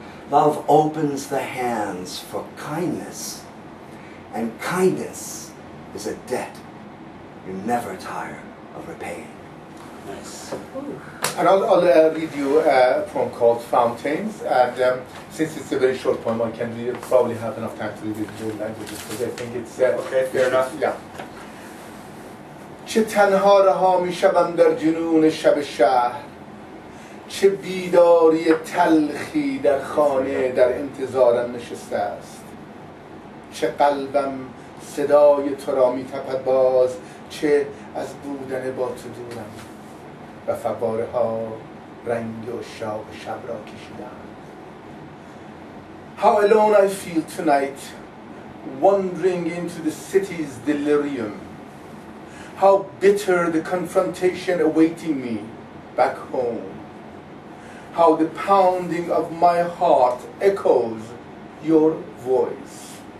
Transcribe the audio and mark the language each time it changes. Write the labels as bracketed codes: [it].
[en] Love opens the hands for kindness, and kindness is a debt you never tire of repaying. Nice. Ooh. And I'll read you a poem called Fountains. And since it's a very short poem, I can probably have enough time to read it in both languages. Because I think it's okay. Fair enough. Yeah. [fa] چه تنها رها می شدم در جنون شب شهر، چه بیداری تلخی در خانه در انتظارم نشسته است. چه قلبم صدای تو را می تپد باز، چه از بودن با تو دورم. و فواره ها رنگ و شاق شب را کشیدند. [en] How alone I feel tonight, wandering into the city's delirium. How bitter the confrontation awaiting me back home. How the pounding of my heart echoes your voice.